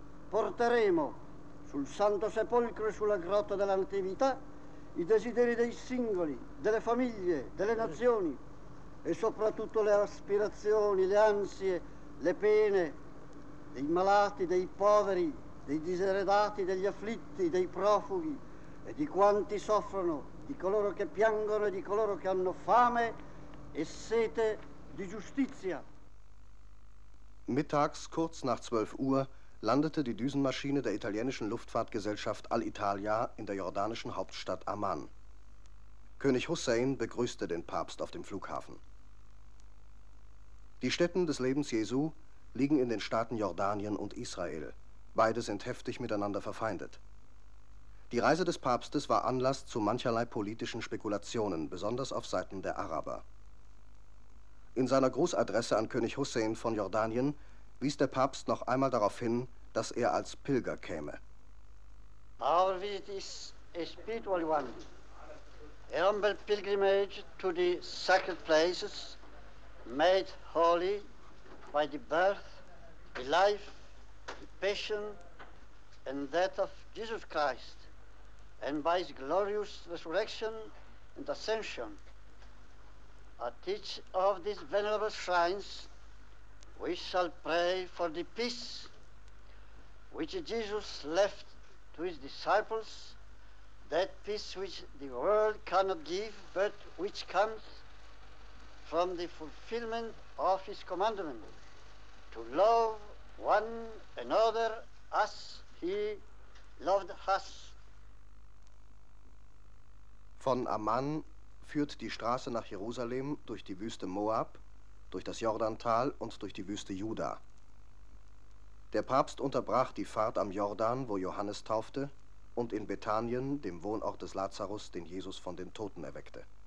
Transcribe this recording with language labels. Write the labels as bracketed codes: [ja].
[it] Porteremo sul Santo Sepolcro e sulla Grotta della Natività i desideri dei singoli, delle famiglie, delle nazioni, e soprattutto le aspirazioni, le ansie, le pene dei malati, dei poveri, dei diseredati, degli afflitti, dei profughi e di quanti soffrono, di coloro che piangono e di coloro che hanno fame e sete di giustizia. [de] Mittags, kurz nach 12 Uhr, landete die Düsenmaschine der italienischen Luftfahrtgesellschaft Alitalia in der jordanischen Hauptstadt Amman. König Hussein begrüßte den Papst auf dem Flughafen. Die Stätten des Lebens Jesu liegen in den Staaten Jordanien und Israel. Beide sind heftig miteinander verfeindet. Die Reise des Papstes war Anlass zu mancherlei politischen Spekulationen, besonders auf Seiten der Araber. In seiner Grußadresse an König Hussein von Jordanien wies der Papst noch einmal darauf hin, dass er als Pilger käme. [en] Our visit is a spiritual one. A humble pilgrimage to the sacred places made holy by the birth, the life, the passion, and death of Jesus Christ, and by his glorious resurrection and ascension. At each of these venerable shrines, We shall pray for the peace which Jesus left to his disciples, that peace which the world cannot give, but which comes from the fulfillment of his commandment, to love one another as he loved us. [de] Von Amman führt die Straße nach Jerusalem durch die Wüste Moab, durch das Jordantal und durch die Wüste Juda. Der Papst unterbrach die Fahrt am Jordan, wo Johannes taufte, und in Bethanien, dem Wohnort des Lazarus, den Jesus von den Toten erweckte.